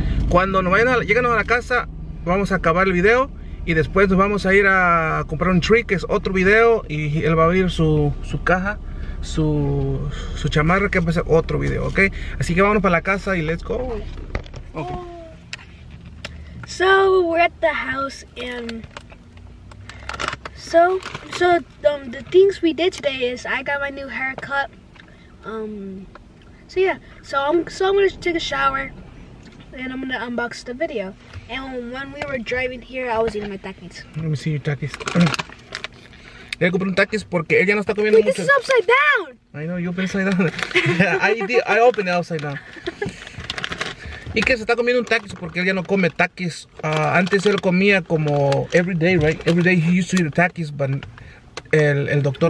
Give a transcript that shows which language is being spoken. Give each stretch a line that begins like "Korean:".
Spanish: Cuando lleguemos a la casa, vamos a acabar el video y después nos vamos a ir a comprar un tree, que es otro video, y él va a abrir su caja su chamarra, que va a ser otro video, ¿ok? Así que vamos para la casa y
English: let's go. Okay. So we're at the house and so the things we did today is I got my new haircut. So yeah. So I'm gonna take a shower and I'm gonna unbox the video. And when we were driving here, I was eating my takis. Let me see your takis.
Spanish: Le compré un takis porque ella no está comiendo mucho.
English: This is upside down. I know you opened upside down. I opened it upside down.
Spanish: Y que se está comiendo un takis porque él ya no come takis. Antes él comía como
English: every day, right? Every day he used to eat a takis, but
Spanish: el doctor